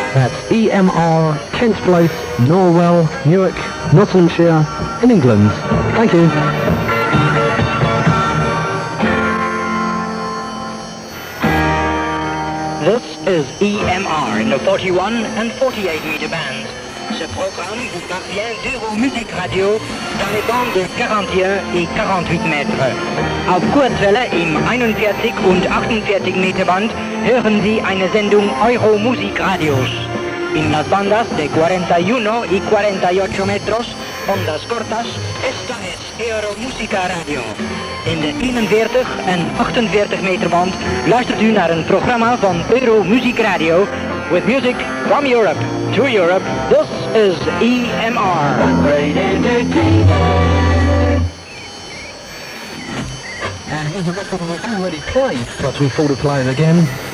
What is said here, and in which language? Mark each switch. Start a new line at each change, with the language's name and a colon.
English: That's EMR, Kent Place, Norwell, Newark, Nottinghamshire, in England. Thank you. This is EMR in the 41 and 48 meter bands.
French: Ce programme vous parvient d'Euro Music Radio dans les bandes de 41 et 48 mètres.
German: Auf Kurzwelle im 41 und 48 meter band hören Sie eine Sendung Euro Music Radios.
Spanish: En las bandas de 41 y 48 metros, ondas cortas, esta es Euromusica Radio.
Dutch: En de 41 en 48 meter band luistert u naar een programma van Euromusic Radio.
English: With music from Europe to Europe, this is EMR. Already played, but we thought of playing again.